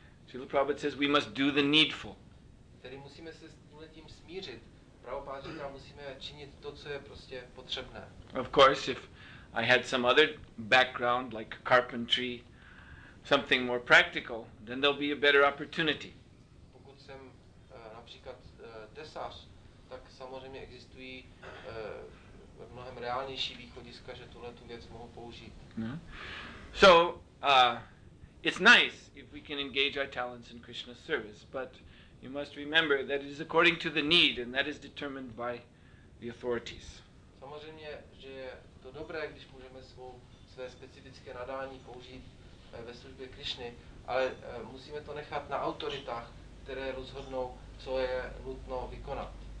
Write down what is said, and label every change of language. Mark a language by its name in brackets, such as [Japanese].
[English] Srila Prabhupada says we must do the needful. [Czech] Tedy musíme se s tím smířit. Prabhupada říká, musíme činit to, co je prostě potřebné. [English] Of course, if I had some other background, like carpentry, something more practical, then there'll be a better opportunity. [Czech] Pokud jsem například tesař, tak samozřejmě existují mnohem reálnější východiska, že tuhle tu věc mohu použít. [English] So it's nice if we can engage our talents in Krishna's service, but you must remember that it is according to the need, and that is determined by the authorities. [Czech] Samozřejmě, že je to dobré, když můžeme své specifické nadání použít ve službě Krišny, ale musíme to nechat na autoritách, které rozhodnou, co je nutno vykonat.